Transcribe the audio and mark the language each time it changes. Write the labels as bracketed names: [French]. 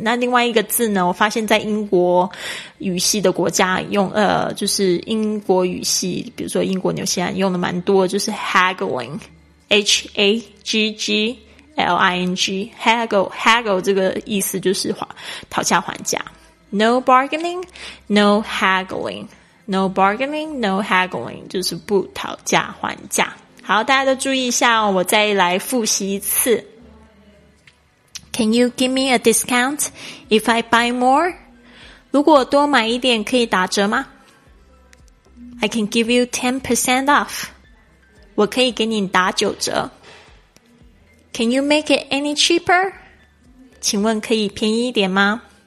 [Chinese] 那另外一个字呢，我发现在英国语系的国家用就是英国语系比如说英国纽西兰用的蛮多的，就是 haggling H-A-G-G-L-I-N-G haggle 这个意思就是讨价还价。 [English] No bargaining, no haggling. No bargaining, no haggling. [Chinese] 就是不讨价还价。好，大家都注意一下哦，我再来复习一次。 [English] Can you give me a discount if I buy more? [Chinese] 如果多买一点可以打折吗？ [English] I can give you 10% off. [Chinese] 我可以给你打九折。 [English] Can you make it any cheaper? [Chinese] 请问可以便宜一点吗？